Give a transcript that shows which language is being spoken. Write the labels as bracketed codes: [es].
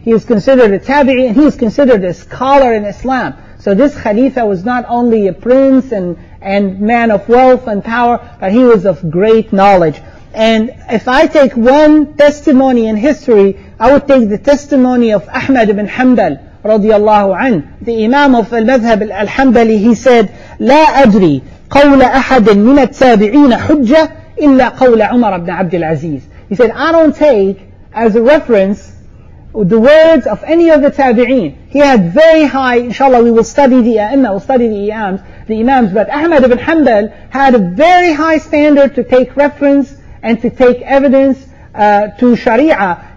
[en] He is considered a tabi'i, and he is considered a scholar in Islam. So this Khalifa was not only a prince and man of wealth and power, but he was of great knowledge. And if I take one testimony in history, I would take the testimony of Ahmad ibn Hanbal radiallahu anhu. The Imam of al-Madhhab al-Hanbali, he said, [ar] لا أدري قول أحد من التابعين حجة إلا قول عمر بن عبد العزيز. [en] He said, I don't take as a reference the words of any of the tabi'een. He had very high, inshallah we will study the a'imma, we'll study the imams, but Ahmad ibn Hanbal had a very high standard to take reference and to take evidence to sharia.